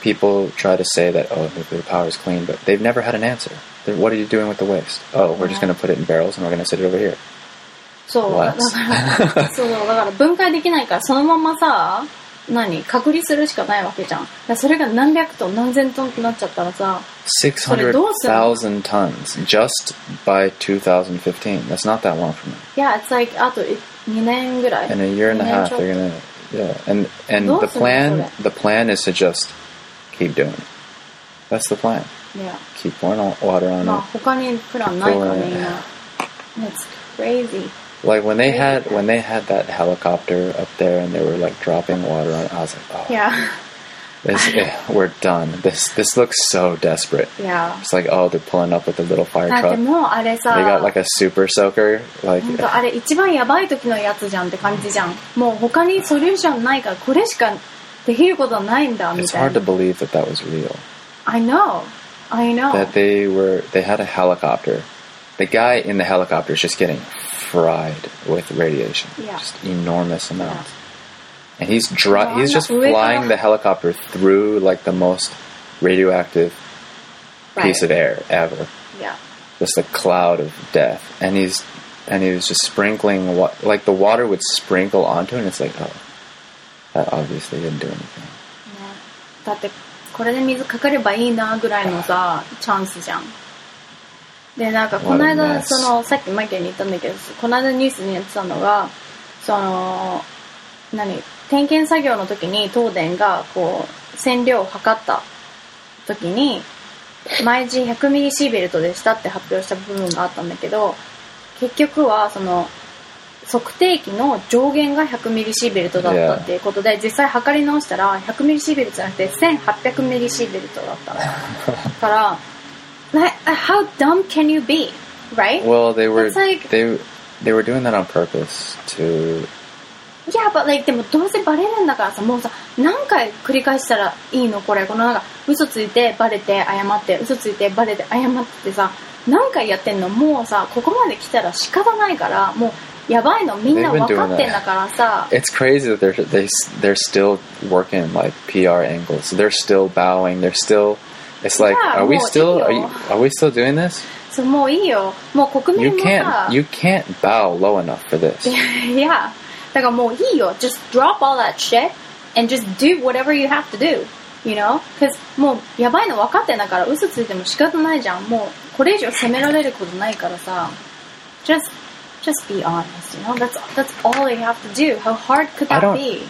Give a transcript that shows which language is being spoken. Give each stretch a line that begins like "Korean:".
English: People try to say that oh nuclear power is clean, but they've never had an answer. Then what are you doing with the waste? Oh, we're just going to put it in barrels and we're going to sit it over here.
Japanese: そう。
English: What?
Japanese: だから分解できないからそのままさ何隔離するしかないわけじゃん。だそれが何百トン何千トンってなっちゃったらさ。
English: 600,000 tons just by 2015. That's not that long from now. Yeah, it's like
Japanese: あと2年ぐらい。
English: In a year and a half, they're gonna yeah. And the plan is to just keep doing it. That's the plan. Yeah. Keep pouring water on it.
Japanese: まあ他にプランないからみんな。
English: It's crazy. Like when they had that helicopter up there and they were like dropping water on it, I was like, oh. Yeah. We're done. This looks so desperate. Yeah. It's like, oh, they're pulling up with a little fire truck.
Japanese: でもあれさ、
English: they got like a super soaker. Like,
Japanese: 本当あれ一番やばい時のやつじゃんって感じじゃん。もう他にソリューションないからこれしかできることないんだみたいな。
English: It's hard to believe that was real. I know. That they had a helicopter. The guy in the helicopter is just getting fried with radiation. Yeah. Just enormous amounts. Yeah. And he's just flying the helicopter through like the most radioactive piece of air ever. Yeah. Just a cloud of death. And he was just sprinkling, like the water would sprinkle onto it and it's like, oh, that obviously didn't do anything. Yeah.
Japanese: だってこれで水かかればいいなぐらいのさ、チャンスじゃん。で、なんかこの間、その、さっきマイケルに言ったんだけど、この間ニュースにやってたのが、その、何点検作業の時に東電がこう線量を測った時に毎時100ミリシーベルトでしたって発表した部分があったんだけど結局はその測定器の上限が100ミリシーベルトだったっていうことで、yeah. 実際測り直したら100ミリシーベルトじゃなくて1800ミリシーベルトだったから
English: How dumb can you be? Right? Well, they were doing that on purpose to Yeah, but like,
Japanese: でもどうせバレるんだからさ、もうさ、何回繰り返したらいいのこれ。このなんか、嘘ついてバレて謝って、嘘ついてバレて謝っ てさ、何回やってんの? もうさ、ここまで来たら仕方ないから、もう、やばいの、みんな分かってんだからさ。
English: It's crazy that they're still working like PR angles. They're still bowing, they're still, it's like, are we still doing this?
Japanese: そう、もういいよ。もう国民もさ、
English: You can't bow low enough for this. yeah.
Japanese: だからもういいよ
English: just drop all that shit and just do whatever you have to do you know because
Japanese: もうやばいの分かってんだから嘘ついても仕方ないじゃんもうこれ以上責められることないからさ
English: just be honest you know that's all you have to do how hard could that be